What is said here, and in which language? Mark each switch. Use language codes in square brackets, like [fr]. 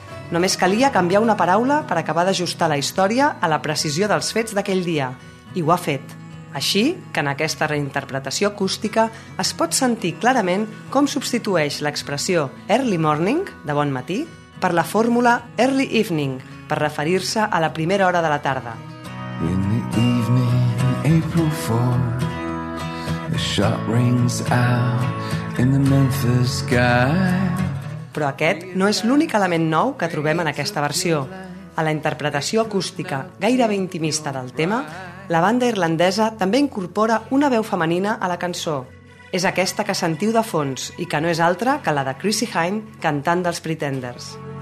[ca] Només calia canviar una paraula per acabar d'ajustar la història a la precisió dels fets d'aquell dia, i ho ha fet. Així que en aquesta reinterpretació acústica es pot sentir clarament com substitueix l'expressió [en] early morning, [ca] de bon matí, per la fórmula [en] early evening, [ca] per referir-se a la primera hora de la tarda. [en] In the evening, April 4, the shot rings out in the Memphis sky. [ca] Però aquest no és l'únic element nou que trobem en aquesta versió. A la interpretació acústica gairebé intimista del tema, la banda irlandesa també incorpora una veu femenina a la cançó. És aquesta que sentiu de fons i que no és altra que la de Chrissie Hynde cantant dels Pretenders.